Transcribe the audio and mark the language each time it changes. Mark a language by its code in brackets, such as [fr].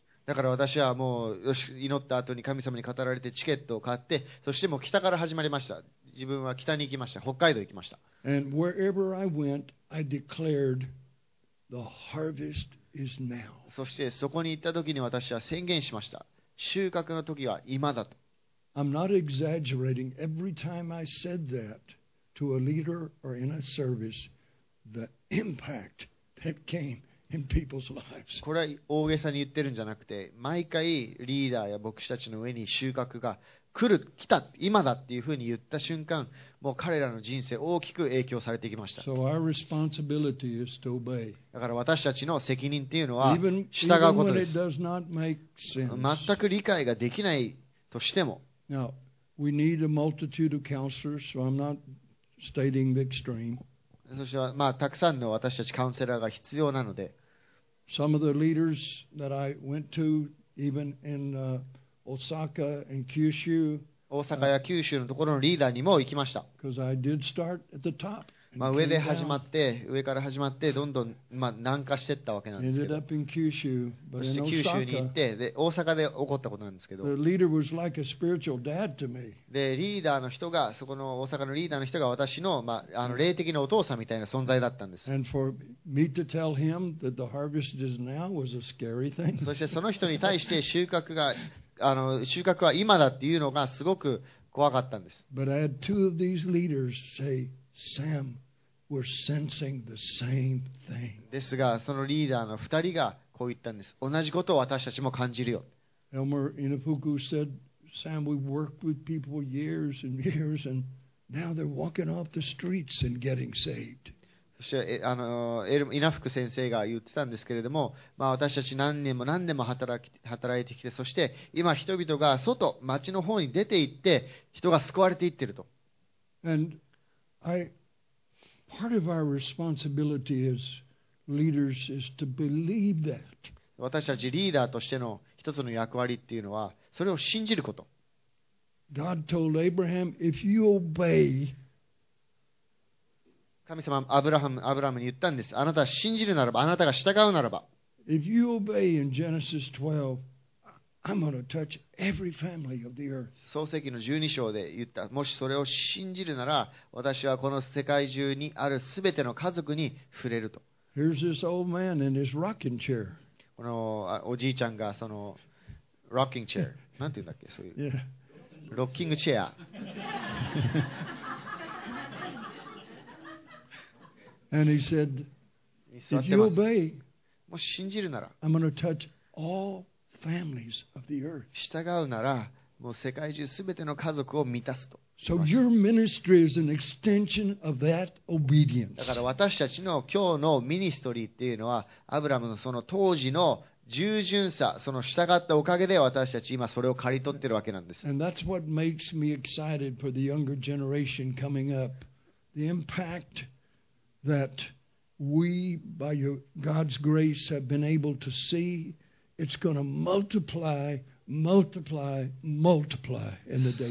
[ja] だから私はもうよし祈った後に神様に語られてチケットを買って、そしてもう北から始まりました。自分は北に行きました。北海道行きました。 [en] And wherever I went, I declared the harvest is now. [ja] そしてそこに行った時に私は宣言しました。収穫の時は今だと。 [en] I'm not exaggerating. Every time I said that to a leader or in a service, the impact that came in people's lives. [ja] これは大げさに言ってるんじゃなくて、毎回リーダーや牧師たちの上に収穫が来る、来た、今だっていうふうに言った瞬間、もう彼らの人生大きく影響されてきました。 [en] So our responsibility is to obey. [ja] だから私たちの責任っていうのは従うことです。全く理解ができないとしても。 [en] Now, we need a multitude of counselors, so I'm not stating the extreme. [ja] そして、まあ、たくさんの私たちカウンセラーが必要なので。 [en] Some of the leaders that I went to, even in Osaka and Kyushu. [ja] 大阪や九州のところのリーダーにも行きました。 [en] Because I did start at the top. [ja] まあ、上で始まって、上から始まって、どんどん、まあ、南下していったわけなんですけど。 [en] Ended up in Kyushu, but [ja] そして九州に行って、で、大阪で起こったことなんですけど。 [en] The leader was like a spiritual dad to me. [ja] で、リーダーの人が、そこの大阪のリーダーの人が私の、まあ、あの霊的なお父さんみたいな存在だったんです。 [en] And for me to tell him that the harvest is now was a scary thing. [ja] そしてその人に対して収穫が、あの、収穫は今だっていうのがすごく怖かったんです。 [en] But I had two of these leaders say, Sam,We're sensing the same thing. [ja] ですが、そのリーダーの2人がこう言ったんです。同じことを私たちも感じるよ。 [en] Elmer Inafuku said, Sam, we worked with people years and years, and now they're walking off the streets and getting saved. [ja] そして、あの、イナフク先生が言ってたんですけれども、まあ、私たち何年も何年も働いてきて、そして今人々が外、町の方に出て行って、人が救われていってると。 [en] And Part of our responsibility as leaders is to believe that. [ja] 私たちリーダーとしての一つの役割っていうのは、それを信じること。 [en] God told Abraham, if you obey, [ja] 神様アブラハムに言ったんです。あなたが信じるならば、あなたが従うならば、 [en] if you obey in Genesis 12, I'm going to touch every family of the earth. [ja] 創世記の12章で言った。もしそれを信じるなら、私はこの世界中にあるすべての家族に触れると。 [en] Here's this old man in his rocking chair. [ja] このおじいちゃんがその rocking chair。なんて言うんだっけ、そういう。 [en] Yeah. [ja] ロッキングチェア。 [en] And he said, if you obey, [ja] もし信じるなら、 [en] I'm going to touch all families of the earth. [ja] 従うならもう世界中すべての家族を満たすと。 [en] So your ministry is an extension of that obedience. [ja] だから私たちの今日のミニストリーっていうのはアブラムのその当時の従順さ、その従ったおかげで私たち今それを刈り取っているわけなんです。 [en] And that's what makes me excited for the younger generation coming up. The impact that we, by God's grace, have been able to see, it's going to multiply, multiply, multiply in the days